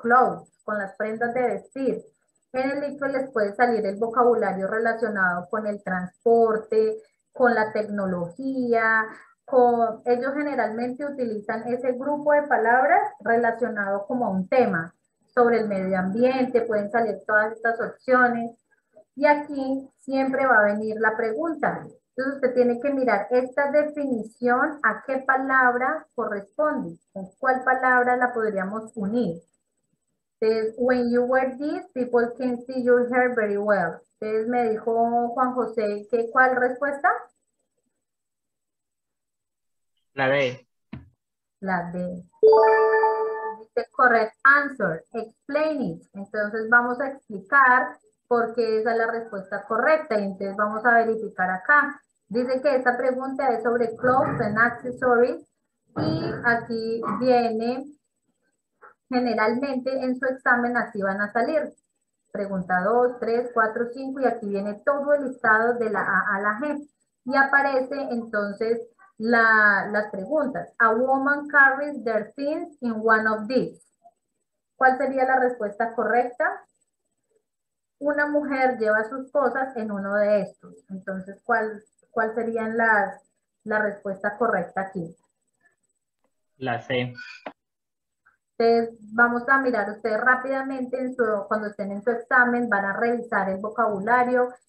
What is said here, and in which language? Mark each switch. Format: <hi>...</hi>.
<es>Clothes, con las prendas de vestir. En el libro les puede salir el vocabulario relacionado con el transporte, con la tecnología, ellos generalmente utilizan ese grupo de palabras relacionado como a un tema, sobre el medio ambiente, pueden salir todas estas opciones. Y aquí siempre va a venir la pregunta. Entonces usted tiene que mirar esta definición, ¿a qué palabra corresponde? ¿Con cuál palabra la podríamos unir? Entonces,</es> <en>when you wear this, people can see your hair very well.</en> <es>Entonces me dijo Juan José, ¿cuál respuesta? La D. La D.</es> <en>The correct answer. Explain it.</en> <es>Entonces vamos a explicar por qué esa es la respuesta correcta. Y entonces vamos a verificar acá. Dice que esta pregunta es sobre</es> <en>clothes and accessories.</en> <es>Y aquí viene, generalmente en su examen así van a salir. Pregunta 2, 3, 4, 5. Y aquí viene todo el listado de la A a la G. Y aparece entonces las preguntas.</es> <en>A woman carries their things in one of these.</en> <es>¿Cuál sería la respuesta correcta? Una mujer lleva sus cosas en uno de estos. Entonces, ¿cuál serían la respuesta correcta aquí? La C. Entonces, vamos a mirar ustedes rápidamente cuando estén en su examen, van a revisar el vocabulario.</es>